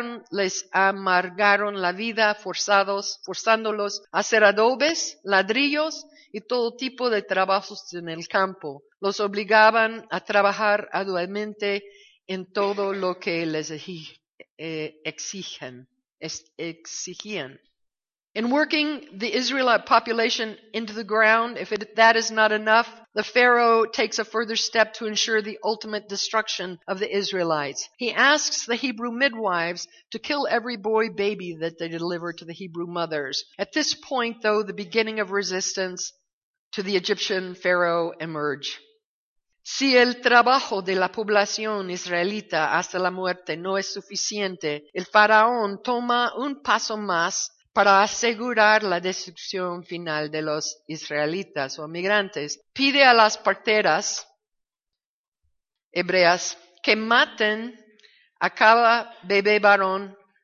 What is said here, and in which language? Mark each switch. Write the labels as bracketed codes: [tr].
[es] Les amargaron la vida forzándolos a hacer adobes, ladrillos y todo tipo de trabajos en el campo. Los obligaban a trabajar arduamente en todo lo que les exigían. [en] In working the Israelite population into the ground, if that is not enough, the Pharaoh takes a further step to ensure the ultimate destruction of the Israelites. He asks the Hebrew midwives to kill every boy baby that they deliver to the Hebrew mothers. At this point, though, the beginning of resistance to the Egyptian Pharaoh emerge. [es] Si el trabajo de la población israelita hasta la muerte no es suficiente, el faraón toma un paso más para asegurar la destrucción final de los israelitas o migrantes, pide a las parteras hebreas que maten a cada bebé varón